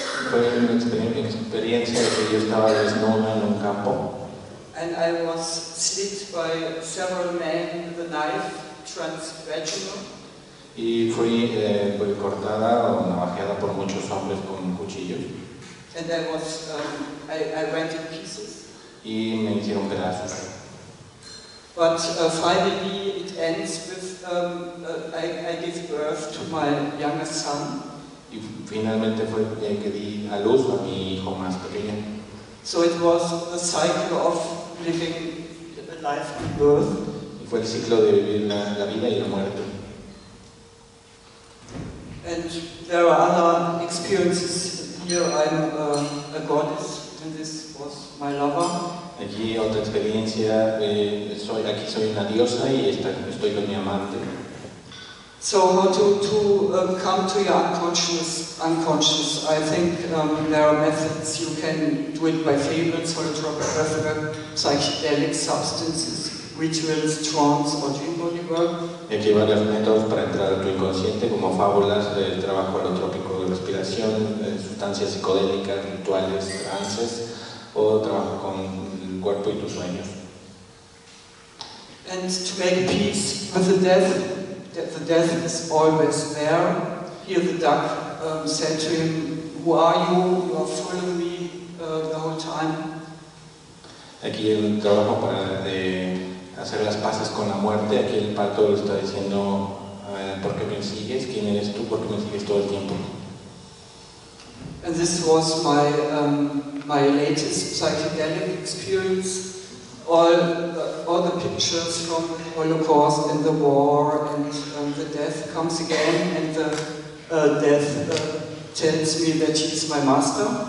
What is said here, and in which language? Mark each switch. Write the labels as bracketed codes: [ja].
[es] Fue una experiencia de que yo estaba desnudo en un campo. [en] And I was slit by several men with a knife, transvaginal. [es] Y fui cortada o navajeada por muchos hombres con cuchillos. [en] And I was I went in pieces. [es] Y me hicieron pedazos. [en] But finally it ends with I give birth to my younger son. [es] Y finalmente fue que di a luz a mi hijo más pequeño. [en] So it was the cycle of living a life and birth. [es] Y fue el ciclo de vivir la vida y la muerte. [en] And there are other experiences. Here I'm a goddess, and this was my lover. [es] Aquí otra experiencia. Aquí soy una diosa y estoy con mi amante. [en] So how to come to your unconscious? I think there are methods. You can do it by favorites, holotropic breathwork, psychedelic substances, rituals, trance, or dream body work. [es] Aquí hay varios métodos para entrar a tu inconsciente, como fábulas, el trabajo holotrópico de respiración, sustancias psicodélicas, rituales, trances, o trabajo con el cuerpo y tus sueños. [en] And to make peace with the death. That the death is always there. Here the duck said to him, "Who are you? You are following me the whole time." [es] Aquí el trabajo para hacer las paces con la muerte. Aquí el pato lo está diciendo, ¿por qué me sigues? ¿Quién eres tú? ¿Por qué me sigues todo el tiempo? [en] And this was my my latest psychedelic experience. All the pictures from the Holocaust and the war and the death comes again, and the death tells me that he is my master.